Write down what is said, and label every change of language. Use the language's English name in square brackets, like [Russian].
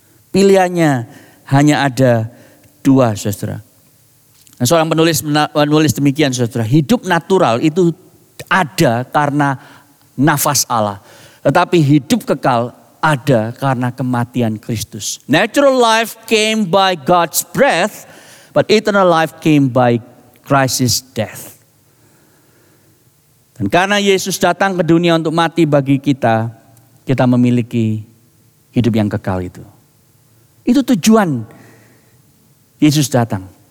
[Indonesian] Pilihannya hanya ada dua, saudara. Nah, seorang penulis menulis demikian, saudara. Hidup natural itu ada karena nafas Allah. Tetapi hidup kekal ada karena kematian Kristus. [English] Natural life came by God's breath, but eternal life came by Christ's death. [Indonesian] Dan karena Yesus datang ke dunia untuk mati bagi kita, kita memiliki hidup yang kekal itu. Itu tujuan Yesus datang.